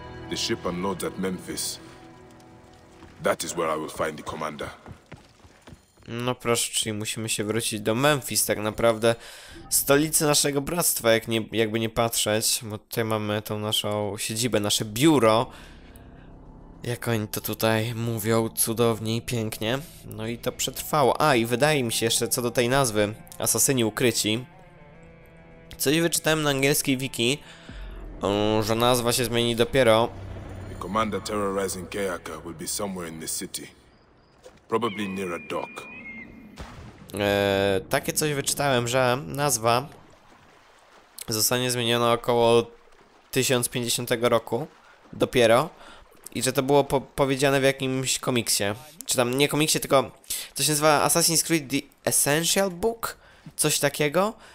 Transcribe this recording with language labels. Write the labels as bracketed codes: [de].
[en] The ship unloads at Memphis. That is where I will find the commander. [pl] No proszę, czyli musimy się wrócić do Memphis, tak naprawdę stolicy naszego bractwa, jak nie, jakby nie patrzeć, bo tutaj mamy tą naszą siedzibę, nasze biuro, jak oni to tutaj mówią cudownie i pięknie. No i to przetrwało. A i wydaje mi się jeszcze, co do tej nazwy, Asasyni Ukryci, coś wyczytałem na angielskiej wiki, że nazwa się zmieni dopiero. [en] The commander terrorizing Kayaka will be somewhere in the city. Probably near a dock. [pl] Takie coś wyczytałem, że nazwa zostanie zmieniona około 1050 roku dopiero i że to było powiedziane w jakimś komiksie. Czy tam nie komiksie, tylko to się nazywa Assassin's Creed The Essential Book? Coś takiego?